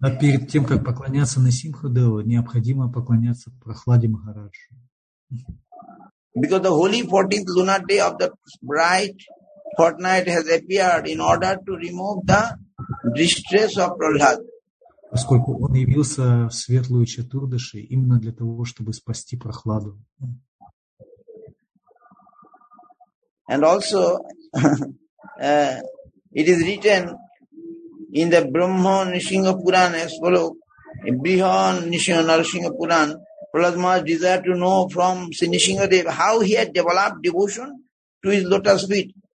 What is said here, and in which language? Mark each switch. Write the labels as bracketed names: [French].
[Russian] Перед тем, как поклоняться Нисингхадеву, необходимо поклоняться Прахладе Махараджу. [English] Because the holy 14th lunar day of the bright fortnight has appeared in order to remove the distress of Prahlad. [Russian] Поскольку он явился в светлую Чатурдаши именно для того, чтобы спасти Прахладу. [English] And also, it is written in the Brahma Nrisimha Puran as follows. Briha Nrisimha Narasimha Puran, Prahlad Maharaj desired to know from Sri Nrisimhadeva how he had developed devotion to his lotus feet.